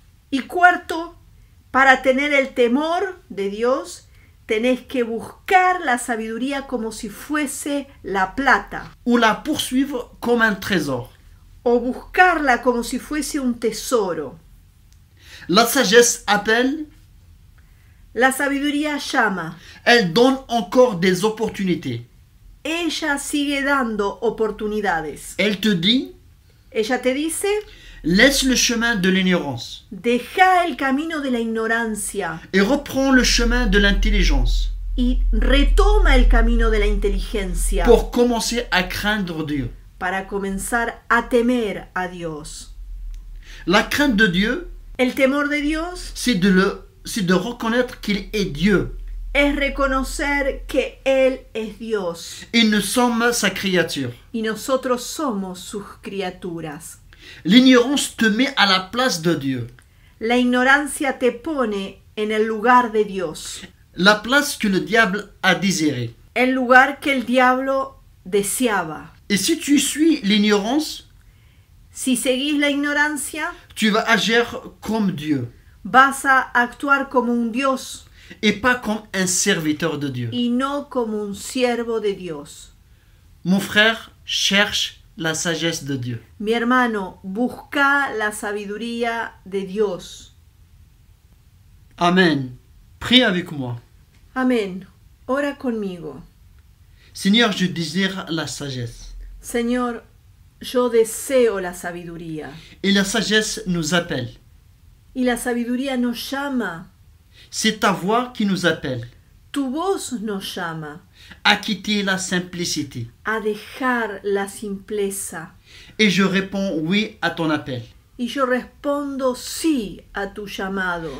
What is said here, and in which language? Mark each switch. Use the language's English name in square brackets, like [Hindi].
[Spanish] Y cuarto, para tener el temor de Dios, tenés que buscar la sabiduría como si fuese la plata. [French] Ou la poursuivre comme un trésor. [Spanish] o buscarla como si fuese un tesoro. [French] La sagesse appelle. [Spanish] La sabiduría llama. [French] Elle donne encore des opportunités. [Spanish] Ella sigue dando oportunidades. [French] Elle te dit. [Spanish] Ella te dice. [French] Laisse le chemin de l'ignorance. [Spanish] Deja el camino de la ignorancia. [French] Et reprends le chemin de l'intelligence. [Spanish] Y retoma el camino de la inteligencia. [French] Pour commencer à craindre Dieu. [Spanish] Para comenzar a temer a Dios. [French] La crainte de Dieu. [Spanish] El temor de Dios. [French] C'est de reconnaître qu'il est Dieu. [Spanish] Es reconocer que él es Dios. [French] Et nous sommes sa créature. [Spanish] Y nosotros somos sus criaturas. [French] L'ignorance te met à la place de Dieu. [Spanish] La ignorancia te pone en el lugar de Dios. [French] La place que le diable a désiré. [Spanish] El lugar que el diablo deseaba. [French] Et si tu suis l'ignorance, [Spanish] si seguís la ignorancia, [French] tu vas agir comme Dieu. [Spanish] Vas a actuar como un Dios. [French] Et pas comme un serviteur de Dieu. [Spanish] Y no como un siervo de Dios. [French] Mon frère cherche la sagesse de Dieu. [Spanish] Mi hermano, busca la sabiduría de Dios. [French] Amen. Prie avec moi. [Spanish] Amen. Ora conmigo. [French] Seigneur, je désire la sagesse. [Spanish] Señor, yo deseo la sabiduría. [French] Et la sagesse nous appelle. [Spanish] Y la sabiduría nos llama. [French] C'est ta voix qui nous appelle. [Spanish] Tu voz nos llama. [French] À quitter la simplicité. [Spanish] A dejar la simpleza. [French] Et je réponds oui à ton appel. [Spanish] Y yo respondo sí a tu llamado.